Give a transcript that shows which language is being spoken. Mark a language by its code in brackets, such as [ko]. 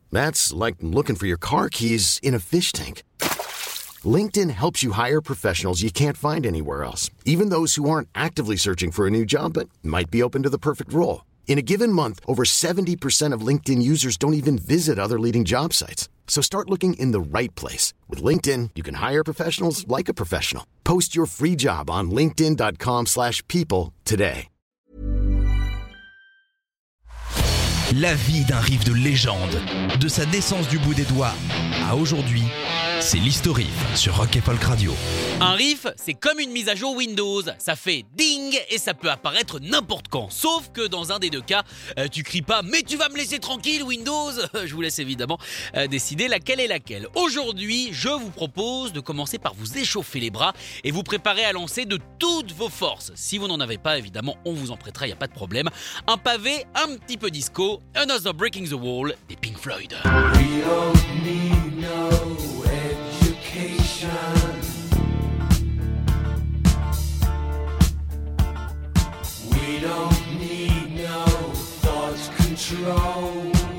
[en] That's like looking for your car keys in a fish tank. LinkedIn helps you hire professionals you can't find anywhere else, even those who aren't actively searching for a new job but might be open to the perfect role. In a given month, over 70% of LinkedIn users don't even visit other leading job sites. So start looking in the right place. With LinkedIn, you can hire professionals like a professional. Post your free job on linkedin.com/people today. [fr] La vie d'un Riff de légende. De sa naissance du bout des doigts à aujourd'hui, c'est l'Historif sur Rock et Folk Radio. Un Riff, c'est comme une mise à jour Windows. Ça fait ding et ça peut apparaître n'importe quand. Sauf que dans un des deux cas, tu cries pas « Mais tu vas me laisser tranquille Windows !» Je vous laisse évidemment décider laquelle est laquelle. Aujourd'hui, je vous propose de commencer par vous échauffer les bras et vous préparer à lancer de toutes vos forces. Si vous n'en avez pas, évidemment, on vous en prêtera, il n'y a pas de problème. Un pavé un petit peu disco. Another Breaking the Wall des Pink Floyd. [en] We don't need no education. We don't need no thought control.